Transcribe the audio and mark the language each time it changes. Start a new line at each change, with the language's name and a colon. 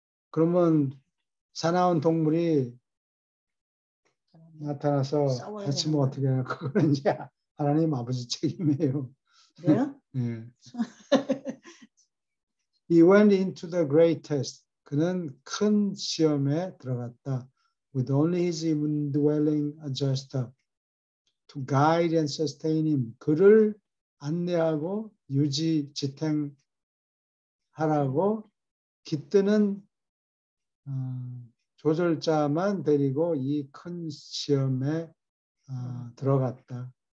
Korean: 그러면 사나운 동물이 나타나서 싸워야 되는 다치면 거예요. 어떻게 해요? 그건 이제 하나님 아버지 책임이에요. 왜요? 네.
English: He went into the great test.
Korean: 그는 큰 시험에 들어갔다.
English: With only his indwelling adjuster to guide and sustain him.
Korean: 그를 안내하고 유지, 지탱하라고 깃드는 조절자만 데리고 이큰 시험에 들어갔다.